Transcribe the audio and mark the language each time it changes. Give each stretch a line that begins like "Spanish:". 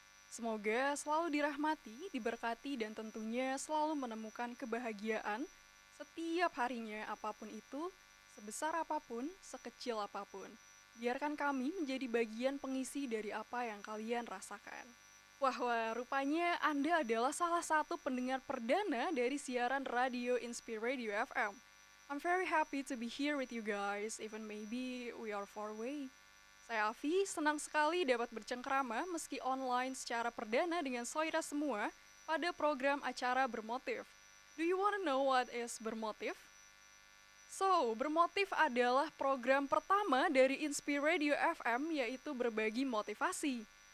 Indonesian: Semoga selalu dirahmati, diberkati, dan tentunya selalu menemukan kebahagiaan setiap harinya, apapun itu, sebesar apapun, sekecil apapun. Biarkan kami menjadi bagian pengisi dari apa yang kalian rasakan. Wah, rupanya Anda adalah salah satu pendengar perdana dari siaran radio Inspira Radio FM.
English: I'm very happy to be here with you guys, even maybe we are far away.
Indonesian: Saya Avi, senang sekali dapat bercengkrama meski online secara perdana dengan SOIRA semua pada program acara Bermotiv.
English: Do you wanna know what is Bermotiv?
Indonesian: So, Bermotiv adalah program pertama dari Inspira Radio FM, yaitu berbagi motivasi.